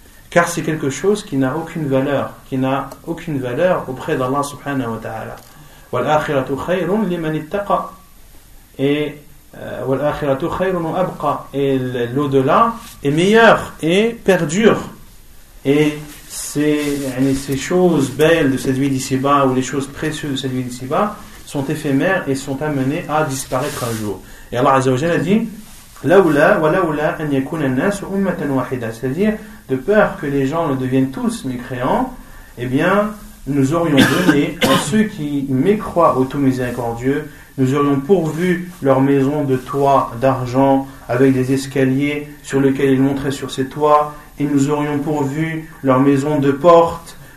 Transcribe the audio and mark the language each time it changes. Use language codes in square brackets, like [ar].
[fr] Car c'est quelque chose qui n'a aucune valeur, qui n'a aucune valeur auprès d'Allah subhanahu wa ta'ala. [ar] Wal akhiratu khayrun liman ittaqa. [fr] Et [ar] وَالْآخِرَةُ خَيْرٌ وَأَبْقَى. [fr] Et l'au-delà est meilleur et perdure. Et ces choses belles de cette vie d'ici-bas, ou les choses précieuses de cette vie d'ici-bas, sont éphémères et sont amenées à disparaître un jour. Et Allah Azza wa Jalla dit [ar] لَوْلَا وَلَوْلَا أَنْ يَكُونَ النَّاسُ أُمَّةً وَاحِدَةً. [fr] C'est-à-dire, de peur que les gens ne deviennent tous mécréants, eh bien, nous aurions donné à ceux qui mécroient au tout miséricordieux, nous aurions pourvu leur maison de toits d'argent avec des escaliers sur lesquels ils monteraient sur ces toits, et nous aurions pourvu leur maison de portes